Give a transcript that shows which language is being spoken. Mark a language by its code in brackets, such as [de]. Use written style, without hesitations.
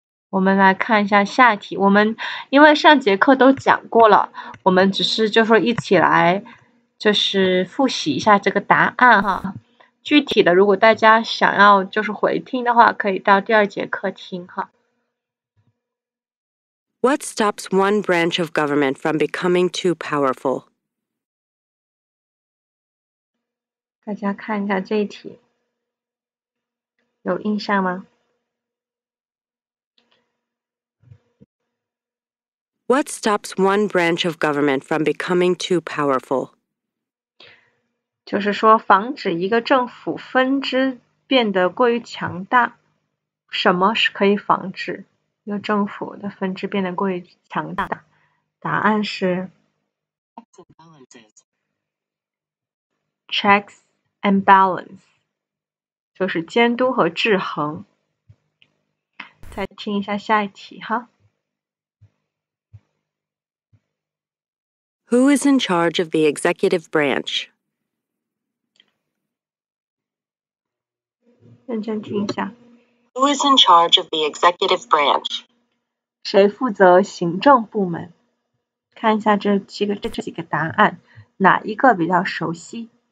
[zh] 我们来看一下下一题，我们因为上节课都讲过了，我们只是就说一起来就是复习一下这个答案哈。具体的，如果大家想要就是回听的话，可以到第二节课听哈。 [en] What stops one branch of government from becoming too powerful? [zh] 大家看一下这一题，有印象吗？ [en] What stops one branch of government from becoming too powerful? [zh] 就是说防止一个政府分支变得过于强大，什么是可以防止一个政府的分支变得过于强大的？答案是 [en] checks and balance， [zh] 就是监督和制衡。再听一下下一题哈。 [en] Who is in charge of the executive branch? [zh] 认真听一下。 [en] Who is in charge of the executive branch? [zh] 谁负责行政部门？看一下这几个答案，哪一个比较熟悉？